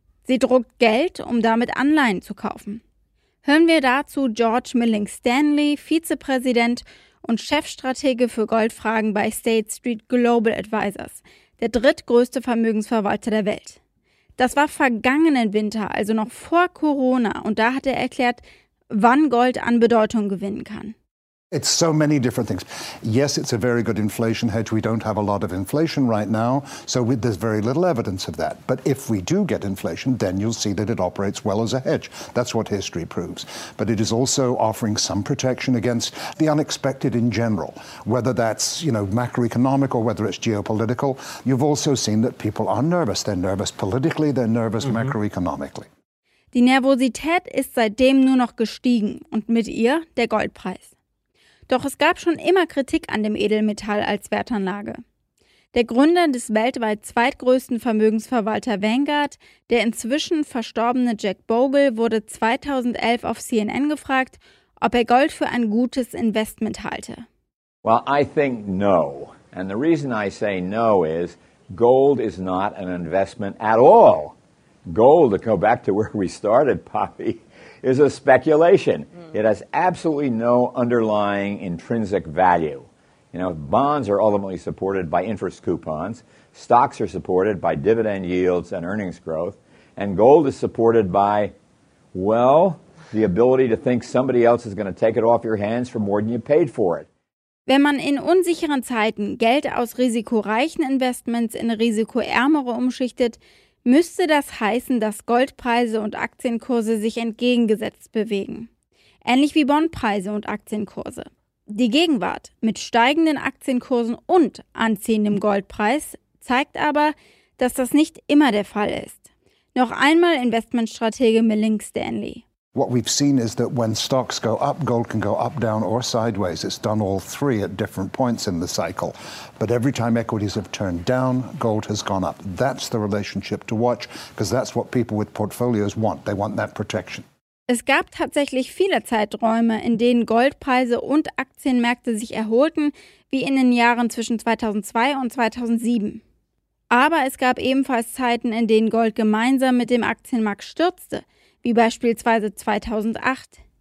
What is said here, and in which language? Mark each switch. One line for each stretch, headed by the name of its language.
German: Sie druckt Geld, um damit Anleihen zu kaufen. Hören wir dazu George Milling Stanley, Vizepräsident und Chefstratege für Goldfragen bei State Street Global Advisors, der drittgrößte Vermögensverwalter der Welt. Das war vergangenen Winter, also noch vor Corona, und da hat er erklärt, wann Gold an Bedeutung gewinnen kann.
English: It's so many different things. Yes, it's a very good inflation hedge. We don't have a lot of inflation right now, so there's very little evidence of that. But if we do get inflation, then you'll see that it operates well as a hedge. That's what history proves. But it is also offering some protection against the unexpected in general, whether that's, you know, macroeconomic or whether it's geopolitical. You've also seen that people are nervous. They're nervous politically, they're nervous macroeconomically.
German: Die Nervosität ist seitdem nur noch gestiegen und mit ihr der Goldpreis. Doch es gab schon immer Kritik an dem Edelmetall als Wertanlage. Der Gründer des weltweit zweitgrößten Vermögensverwalters Vanguard, der inzwischen verstorbene Jack Bogle, wurde 2011 auf CNN gefragt, ob er Gold für ein gutes Investment halte.
English: Well, I think no. And the reason I say no is, gold is not an investment at all. Gold, to go back to where we started, Poppy, is a speculation. It has absolutely no underlying intrinsic value. You know, bonds are ultimately supported by interest coupons, stocks are supported by dividend yields and earnings growth, and gold is supported by, well, the ability to think somebody else is going to take it off your hands for more than you paid for it.
German: Wenn man in unsicheren Zeiten Geld aus risikoreichen Investments in risikoärmere umschichtet, müsste das heißen, dass Goldpreise und Aktienkurse sich entgegengesetzt bewegen. Ähnlich wie Bondpreise und Aktienkurse. Die Gegenwart mit steigenden Aktienkursen und anziehendem Goldpreis zeigt aber, dass das nicht immer der Fall ist. Noch einmal Investmentstratege Milling Stanley.
English: What we've seen is that when stocks go up, gold can go up, down or sideways. It's done all three at different points in the cycle. But every time equities have turned down, gold has gone up. That's the relationship to watch, because that's what people with portfolios want. They want that protection.
German: Es gab tatsächlich viele Zeiträume, in denen Goldpreise und Aktienmärkte sich erholten, wie in den Jahren zwischen 2002 und 2007. Aber es gab ebenfalls Zeiten, in denen Gold gemeinsam mit dem Aktienmarkt stürzte, wie beispielsweise 2008.